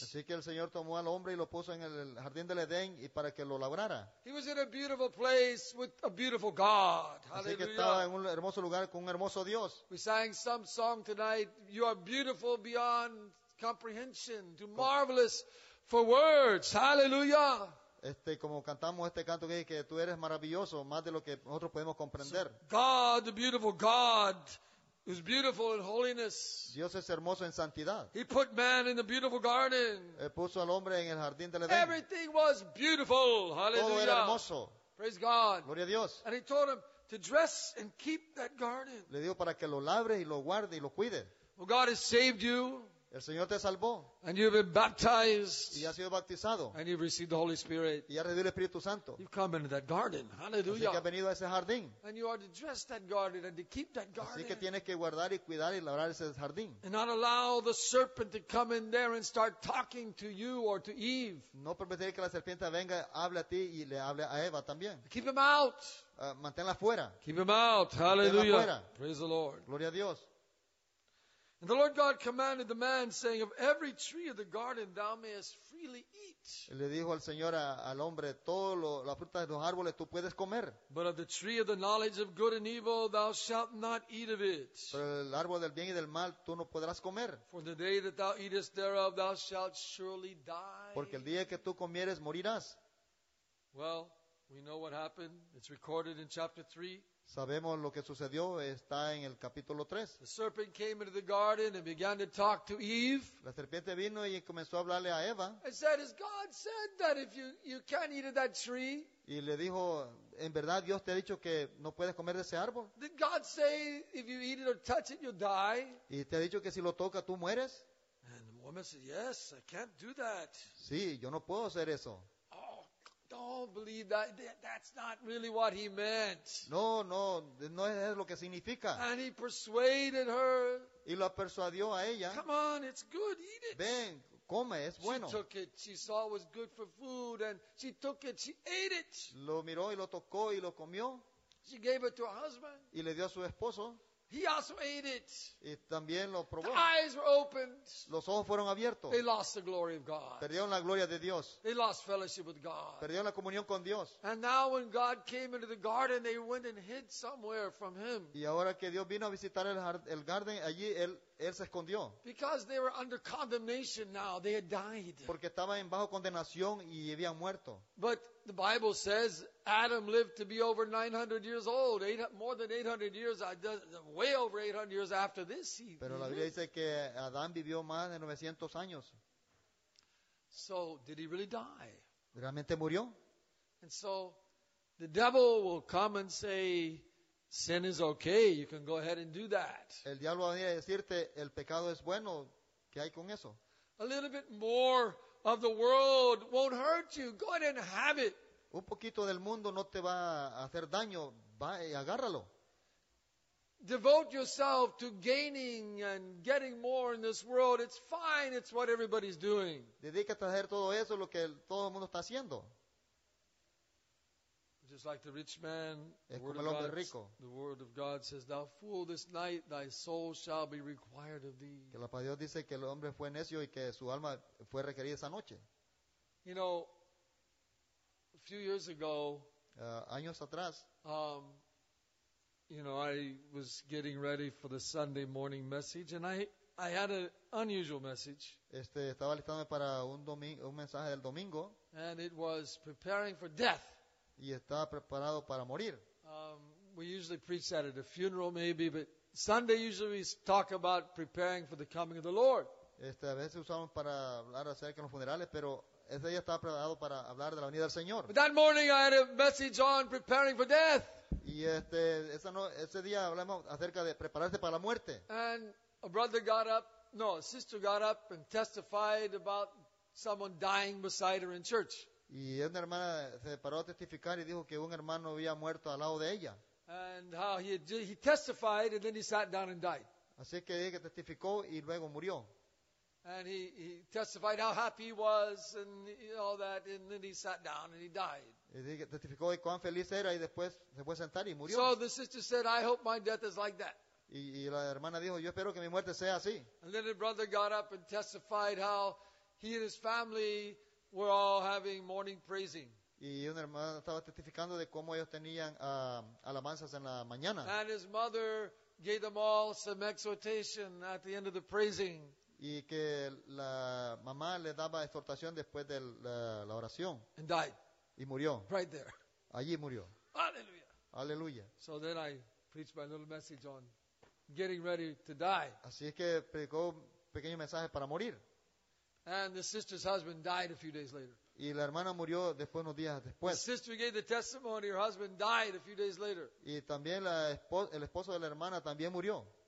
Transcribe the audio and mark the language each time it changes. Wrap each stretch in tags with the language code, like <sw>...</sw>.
<es>Así que el Señor tomó al hombre y lo puso en el jardín del Edén y para que lo labrara.</es> <en>He was in a beautiful place with a beautiful God. Hallelujah.</en> <es>Así que estaba en un hermoso lugar con un hermoso Dios.</es> <en>We sang some song tonight. You are beautiful beyond comprehension, too marvelous for words. Hallelujah.</en> <es>Como cantamos este canto que dice que tú eres maravilloso más de lo que nosotros podemos comprender.</es> <en>So God, the beautiful God, is beautiful in holiness.</en> <es>Dios es hermoso en santidad.</es> <en>He put man in the beautiful garden.</en> <es>Puso al hombre en el jardín del Edén.</es> <en>Everything was beautiful. Hallelujah.</en> <es>Todo era hermoso.</es> <en>Praise God.</en> <es>Gloria a Dios.</es> <en>And he told him to dress and keep that garden.</en> <es>Le dijo para que lo labre y lo guarde y lo cuide.</es> <en>Well, God has saved you.</en> <es>El Señor te salvó.</es> <en>And you've been baptized.</en> <es>Y has sido bautizado.</es> <en>And you've received the Holy Spirit.</en> <es>Y has recibido el Espíritu Santo.</es> <en>You've come into that garden. Hallelujah.</en> <es>Así que has venido a ese jardín.</es> <en>And you are to dress that garden and to keep that garden.</en> <es>Así que tienes que guardar y cuidar y labrar ese jardín.</es> <en>And not allow the serpent to come in there and start talking to you or to Eve.</en> <es>No permitir que la serpiente venga, hable a ti y le hable a Eva también.</es> <en>Keep him out.</en> <es>Manténla fuera.</es> <en>Keep him out. Hallelujah. Praise the Lord.</en> <es>Gloria a Dios.</es> <en>And the Lord God commanded the man, saying, "Of every tree of the garden thou mayest freely eat."</en> <es>Le dijo al Señor al hombre, todo la fruta de los árboles tú puedes comer.</es> <en>But of the tree of the knowledge of good and evil thou shalt not eat of it.</en> <es>Pero el árbol del bien y del mal tú no podrás comer.</es> <en>For the day that thou eatest thereof thou shalt surely die.</en> <es>Porque el día que tú comieres morirás.</es> <en>Well, we know what happened. It's recorded in chapter 3.</en> <es>Sabemos lo que sucedió, está en el capítulo 3.</es> <en>The serpent came into the garden and began to talk to Eve.</en> <es>La serpiente vino y comenzó a hablarle a Eva.</es> <en>And said, "Has God said that if you can't eat of that tree?"</en> <es>Y le dijo, "¿En verdad Dios te ha dicho que no puedes comer de ese árbol?"</es> <en>"Did God say if you eat it or touch it you'll die?"</en> <es>Y te ha dicho que si lo tocas tú mueres.</es> <en>woman says, "Yes, I can't do that."</en> <es>Sí, yo no puedo hacer eso.</es> <en>Oh, don't believe that. That's not really what he meant.</en> <es>No, no, no es lo que significa.</es> <en>And he persuaded her.</en> <es>Y la persuadió a ella.</es> <en>Come on, it's good. Eat it.</en> <es>Ven, come, es bueno.</es> <en>She took it. She saw it was good for food, and she took it. She ate it.</en> <es>Lo miró y lo tocó y lo comió.</es> <en>She gave it to her husband.</en> <es>Y le dio a su esposo.</es> <en>He also ate it.</en> <es>Y también lo probó.</es> <en>The eyes were opened.</en> <es>Los ojos fueron abiertos.</es> <en>They lost the glory of God.</en> <es>Perdieron la gloria de Dios.</es> <en>They lost fellowship with God.</en> <es>Perdieron la comunión con Dios.</es> <en>And now when God came into the garden, they went and hid somewhere from him.</en> <es>Y ahora que Dios vino a visitar el jardín, allí él se escondió.</es> <en>Because they were under condemnation now. They had died.</en> <es>Porque estaban bajo condenación y habían muerto.</es> <en>But the Bible says Adam lived to be over 900 years old. More than 800 years, way over 800 years after this.</en> <es>Pero la Biblia dice que Adán vivió más de 900 años.</es> <en>So, did he really die?</en> <es>¿Realmente murió?</es> <en>And so, the devil will come and say, sin is okay, you can go ahead and do that.</en> <es>El diablo va a venir a decirte, el pecado es bueno, ¿qué hay con eso?</es> <en>A little bit more of the world won't hurt you. Go ahead and have it.</en> <es>Un poquito del mundo no te va a hacer daño. Va y agárralo.</es> <en>Devote yourself to gaining and getting more in this world. It's fine. It's what everybody's doing.</en> <es>Dedícate a hacer todo eso, lo que todo el mundo está haciendo.</es> <en>Just like the rich man, the word of God says, "Thou fool, this night thy soul shall be required of thee."</en> <es>Que la palabra de Dios dice que el hombre fue necio y que su alma fue requerida esa noche.</es> <en>You know, a few years ago,</en> <es>años atrás,</es> <en>you know, I was getting ready for the Sunday morning message, and I had an unusual message.</en> <es>Estaba listándome para un mensaje del domingo,</es> <en>and it was preparing for death.</en> <es>Y estaba preparado para morir.</es> <en>We usually preach that at a funeral, maybe, but Sunday usually we talk about preparing for the coming of the Lord.</en> <es>A veces usamos para hablar acerca de los funerales, pero ese día estaba preparado para hablar de la venida del Señor.</es> <en>But that morning I had a message on preparing for death.</en> <es>Y ese día hablamos acerca de prepararse para la muerte.</es> <en>And a sister got up and testified about someone dying beside her in church.</en> <es>Y una hermana se paró a testificar y dijo que un hermano había muerto al lado de ella.</es> <en>And how he testified and then he sat down and died.</en> <es>Así que ella que testificó y luego murió.</es> <en>And he testified how happy he was and all that and then he sat down and he died.</en> <es>Y testificó y cuán feliz era y después se fue a sentar y murió.</es> <en>So the sister said, "I hope my death is like that."</en> <es>Y la hermana dijo, "Yo espero que mi muerte sea así."</es> <en>And then the brother got up and testified how he and his family were all having morning praising.</en> <es>Y un hermano estaba testificando de cómo ellos tenían alabanzas en la mañana.</es> <en>And his mother gave them all some exhortation at the end of the praising.</en> <es>Y que la mamá le daba exhortación después de la oración.</es> <en>And died.</en> <es>Y murió.</es> <en>Right there.</en> <es>Allí murió. Aleluya. Aleluya.</es> <en>So then I preached my little message on getting ready to die.</en> <es>Así es que predicó un pequeño mensaje para morir.</es> <en>And the sister's husband died a few days later.</en> <es>Y la hermana murió después unos días después.</es> <en>The sister gave the testimony, her husband died a few days later.</en> <es>Y también el esposo de la hermana también murió.</es>